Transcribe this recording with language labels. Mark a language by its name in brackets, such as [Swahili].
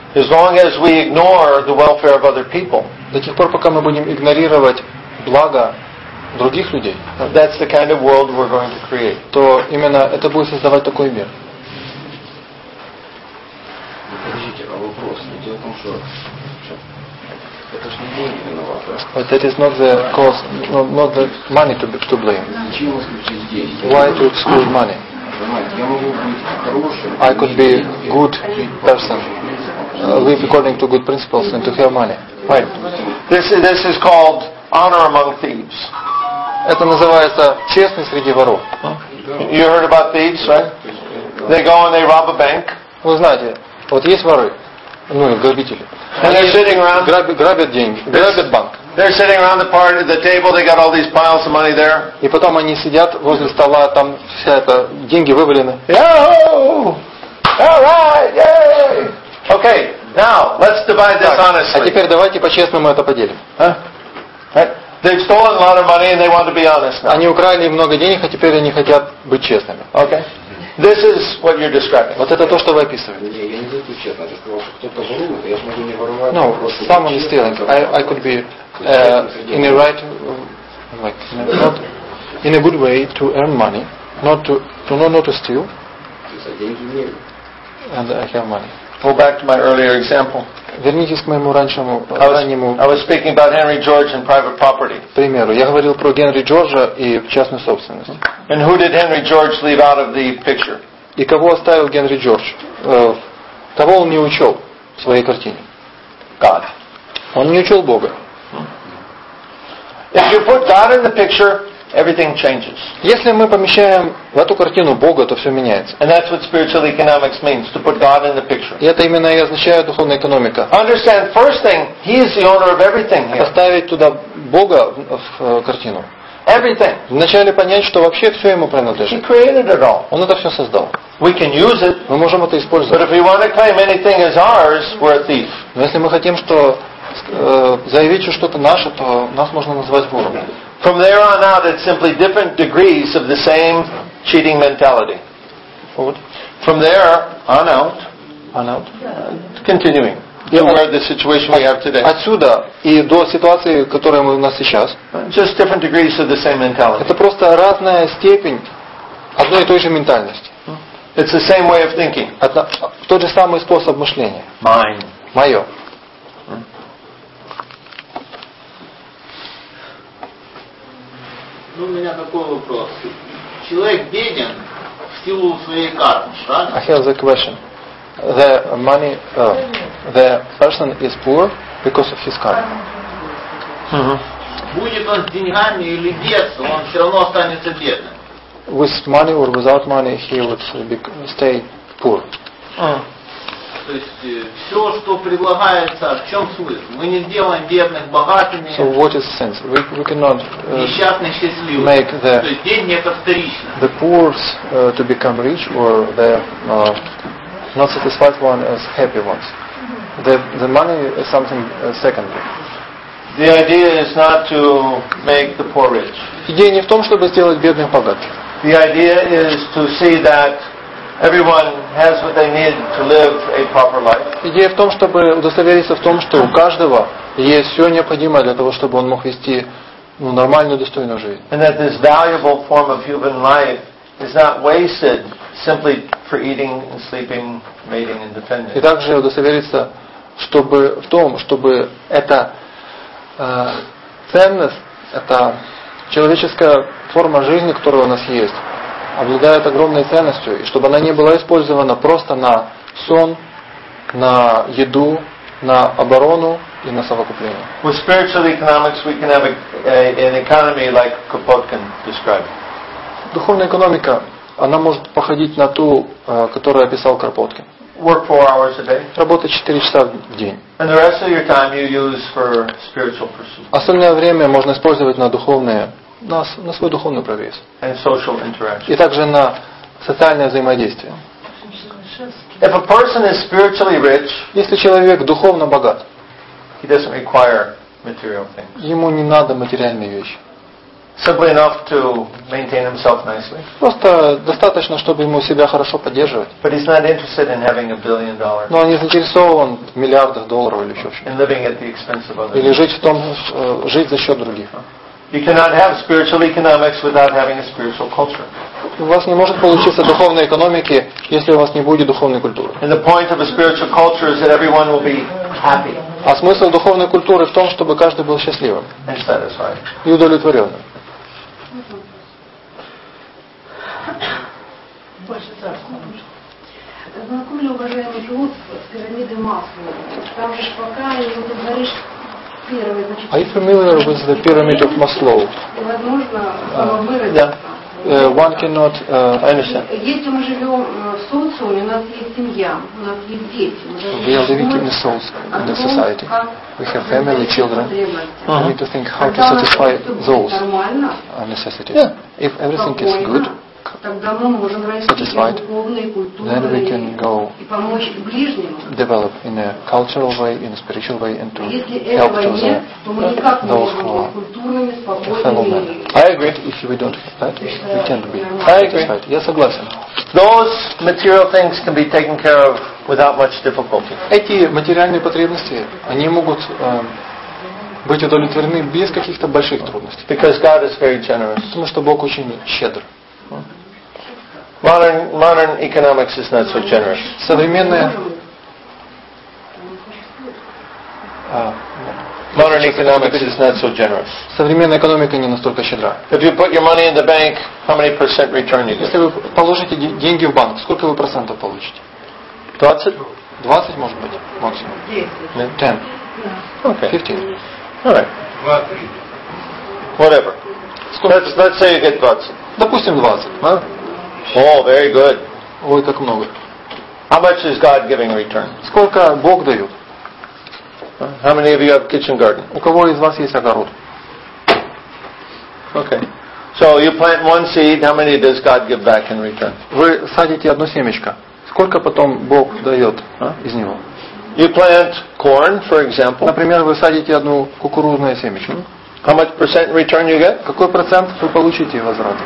[English] as long as we ignore the welfare of other people, [Russian] до тех пор, пока мы будем игнорировать благо других людей, [English] that's the kind of world we're going to create. [Russian] То именно это будет создавать такой мир. [English] But that is not the cause, not the money to blame. Why to exclude money? I could be good person, live according to good principles, and to have money. Right. This is called honor among thieves. [Russian] Это называется честность среди воров. [English] You heard about thieves, right? They go and they rob a bank. [Russian] Вы знаете, вот есть воры. Ну, грабители. [English] And they're sitting around. [Russian] Грабят деньги. Грабят банк. [English] They're sitting around the party, the table. They got all these piles of money there. [Russian] И потом они сидят возле стола, там вся эта деньги вывалены. [English] Yahoo! All right, yay! Okay, now let's divide this honestly. [Russian] А теперь давайте по-честному это поделим. [English] They've stolen a lot of money and they want to be honest now. [Russian] Они украли много денег, а теперь они хотят быть честными. [English] Okay. This is what you're describing. [Russian] Вот это то, что вы описываете. Не, я не говорю честно. Я сказал, что кто-то ворует, я смогу не воровать. [English] No, someone is stealing. I could be in a right, like not in a good way to earn money, not to steal. And I have money. Go back to my earlier example. [Russian] Вернитесь к моему раньшему, раннему. [English] I was speaking about Henry George and private property. [Russian] Примеру, я говорил про Генри Джорджа и частную собственность. [English] And who did Henry George leave out of the picture? [Russian] И кого оставил Генри Джордж? Кого он не учел в своей картине? [English] God. [Russian] Он не учел Бога. [English] If you put God in the picture, everything changes. [Russian] Если мы помещаем в эту картину Бога, то все меняется. [English] And that's what spiritual economics means, to put God in the picture. [Russian] И это именно и означает духовная экономика. [English] Understand, first thing, He is the owner of everything here. [Russian] Поставить туда Бога в картину. [English] Everything. [Russian] Вначале понять, что вообще все ему принадлежит. [English] He created it all. [Russian] Он это все создал. [English] We can use it. [Russian] Мы можем это использовать. [English] But if we want to claim anything as ours, we're a thief. [Russian] Но если мы хотим, что заявить, что что-то наше, то нас можно назвать вором. [English] From there on out, it's simply different degrees of the same cheating mentality. From there on out, continuing to where the situation we have today. [Russian] Отсюда и до ситуации, которая у нас сейчас. [English] Just different degrees of the same mentality. [Russian] Это просто разная степень одной и той же ментальности. [English] It's the same way of thinking. [Russian] Тот же самый способ мышления. [English] Mine. [Russian] Мое. Ну, у меня такой вопрос. Человек беден в силу своей кармы, правильно? [English] I have the question. The money, the person is poor because of his karma. [Russian] Будет он с деньгами или без, он все равно останется бедным. [English] With money or without money, he would stay poor. [Russian] То есть все, что предлагается, в чем суть? Мы не сделаем бедных богатыми. [English] So what is the sense? We cannot [Russian] несчастных счастливыми. [English] Make the [Russian] то есть деньги это вторично. [English] The poor to become rich or the not satisfied one as happy ones. The money is something secondary. The idea is not to make the poor rich. [Russian] Идея не в том, чтобы сделать бедных богатыми. [English] The idea is to see that everyone has what they need to live a proper life. [Russian] Идея в том, чтобы удостовериться в том, что у каждого есть все необходимое для того, чтобы он мог вести нормальную, достойную жизнь. [English] And that this valuable form of human life is not wasted simply for eating, sleeping, mating, and defending. [Russian] И также удостовериться чтобы эта ценность, эта человеческая форма жизни, которая у нас есть, обладает огромной ценностью, и чтобы она не была использована просто на сон, на еду, на оборону и на совокупление. [English] With spiritual economics we can have an economy like Kropotkin described. [Russian] Духовная экономика, она может походить на ту, которую описал Кропоткин. [English] Work 4 hours a day. [Russian] Работать 4 часа в день. [English] And the rest of your time you use for spiritual pursuits. [Russian] Остальное время можно использовать на духовные, на свой духовный прогресс. [English] And social interaction. [Russian] И также на социальное взаимодействие. [English] If a person is spiritually rich, [Russian] если человек духовно богат, [English] he doesn't require material things. [Russian] Ему не надо материальные вещи. [English] Simply enough to maintain himself nicely. [Russian] Просто достаточно, чтобы ему себя хорошо поддерживать. [English] But he's not interested in having $1 billion. [Russian] Но он не заинтересован в миллиардах долларов или еще что-то. [English] And living at the expense of others. [Russian] Или жить за счет других. [English] You cannot have spiritual economics without having a spiritual culture. [Russian] У вас не может получиться духовной экономики, если у вас не будет духовной культуры. [English] And the point of a spiritual culture is that everyone will be happy. [Russian] А смысл духовной культуры в том, чтобы каждый был счастливым и удовлетворенным. Больше царства. Знаком ли, уважаемый Иуд, с пирамидой Маслова? Там же пока и вот говоришь первый, значит. [English] Are you familiar with the pyramid of Maslow? [Russian] Возможно, выразиться. [English] One cannot understand. [Russian] Если мы живем в социуме, у нас есть семья, у нас есть дети. [English] We are living in a soul, in a society. We have family, children. Uh-huh. We need to think how to satisfy those necessities. Yeah. If everything is good, satisfied, then we can go develop in a cultural way, in a spiritual way, and to help to them, those who are a fellow man. I agree. If we don't have that, we can't be satisfied. Yes, I agree. Those material things can be taken care of without much difficulty. [Russian] Эти материальные потребности, они могут быть удовлетворены без каких-то больших трудностей. [English] Because God is very generous. [Russian] Потому что Бог очень щедр. [English] Modern economics is not so generous. [Russian] Современная [English] modern economics is not so generous. [Russian] Современная экономика не настолько щедра. [English] If you put your money in the bank, how many percent return you get? [Russian] Если вы положите деньги в банк, сколько вы процентов получите? [English] 20? [Russian] 20, может быть, максимум. 10. [English] Okay. 15. Alright. Whatever. Let's say you get 20. [Russian] Допустим, 20. [English] Oh, very good. [Russian] Ой, как много. [English] How much is God giving return? [Russian] Сколько Бог дает? [English] How many of you have kitchen garden? [Russian] У кого из вас есть огород? [English] Okay. So you plant one seed, how many does God give back in return? [Russian] Вы садите одно семечко. Сколько потом Бог дает из него? [English] You plant corn, for example. [Russian] Например, вы садите одну кукурузное семечко. [English] How much percent return you get? [Russian] Какой процент вы получите возврат?